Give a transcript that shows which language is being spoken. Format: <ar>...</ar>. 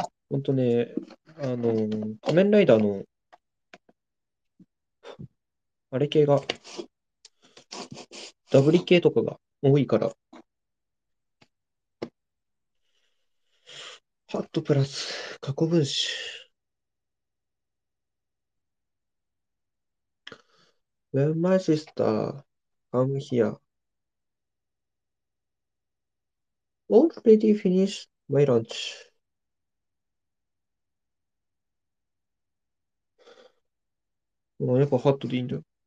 <ja>ほんとね、仮面ライダーの、あれ系が、ダブリ系とかが多いから、ハットプラス、過去分詞。</ja> <en>When my sister come here, already finished my lunch.</en> <ja>もうやっぱハットでいいんだよ。</ja>